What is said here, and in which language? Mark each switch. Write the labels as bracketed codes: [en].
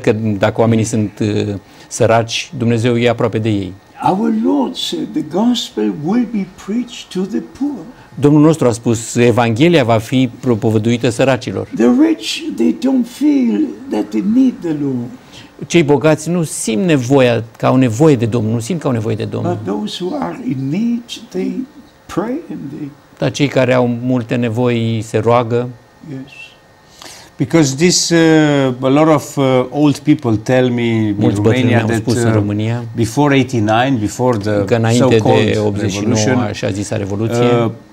[ro] că dacă oamenii sunt săraci, Dumnezeu e aproape de ei. [en] Our Lord said the gospel will be preached to the poor. [ro] Domnul nostru a spus evanghelia va fi propovăduită săracilor. [en] The rich they don't feel that they need the Lord. [ro] Cei bogați nu simt nevoia că au nevoie de Domnul, nu simt că au nevoie de Domnul. [en] But those who are in need they pray and they [ro] dar cei care au multe nevoi se roagă. [en] Yes. Because this a lot of old people tell me [ro] mulți [en] in Romania that [ro] spus în România, [en] before 89, before the [ro] că înainte de 89, așa zisa revoluție,